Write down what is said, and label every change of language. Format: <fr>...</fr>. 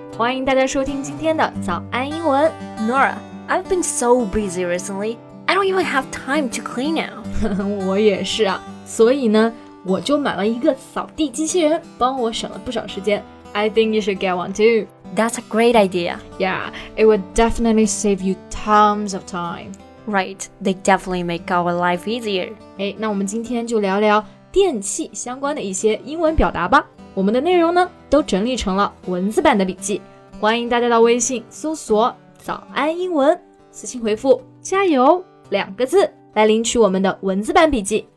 <zh>欢迎大家收听今天的早安英文。</zh> <en>Nora, I've been so busy recently, I don't even have time to clean now.</en> <zh>我也是啊，所以呢，我就买了一个扫地机器人，帮我省了不少时间。</zh> <en>I think you should get one too. That's a great idea. Yeah, it would definitely save you tons of time. Right, they definitely make our life easier.</en> <zh>哎，那我们今天就聊聊电器相关的一些英文表达吧。我们的内容呢，都整理成了文字版的笔记。欢迎大家到微信搜索早安英文，私信回复加油两个字，来领取我们的文字版笔记。</zh>